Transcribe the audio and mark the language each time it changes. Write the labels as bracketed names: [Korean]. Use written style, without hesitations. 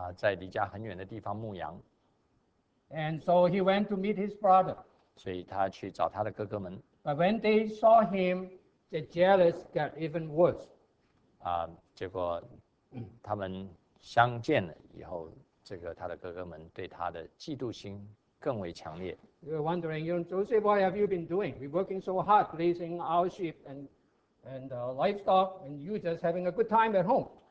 [Chinese] 他的哥哥们在离家很远的地方牧羊。 [English] And so he went to meet his brother. [Chinese] 所以他去找他的哥哥们。 [English] But when they saw him, the jealous got even worse. [Chinese] 结果他们相见了以后，这个他的哥哥们对他的嫉妒心更为强烈。 [English] You're wondering, you know, Joseph, what have you been doing? We're working so hard, raising our sheep and livestock, and you just having a good time at home.